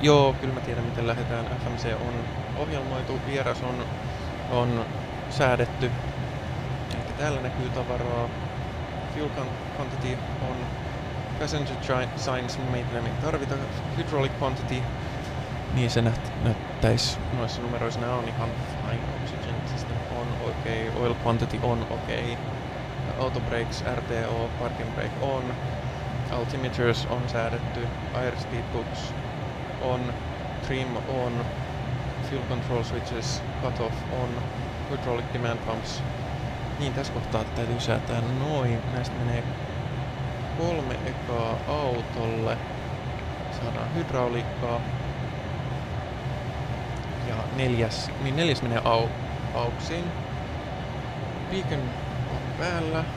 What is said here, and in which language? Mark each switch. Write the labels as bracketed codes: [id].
[fi] Joo, kyllä mä tiedän, miten lähdetään. FMC on ohjelmoitu, vieras on säädetty. Eli täällä näkyy tavaraa. [en] Fuel quantity on passenger signs, [fi] meitä ei tarvita. Hydraulic quantity, niin se näyttäis noissa numeroissa, nämä on ihan fine. [en] Oxygen system on okei. Okay. Oil quantity on okei. Okay. Auto brakes, RTO, parking brake on. Altimeters on säädetty. Air speed books on. Trim on. Fuel control switches, cutoff on. Hydraulic demand pumps. [fi] Niin, tässä kohtaa täytyy säätää noin. Näistä menee 3 ekaa autolle. Saadaan hydrauliikkaa. Ja neljäs menee auksiin. [en] Beacon on päällä.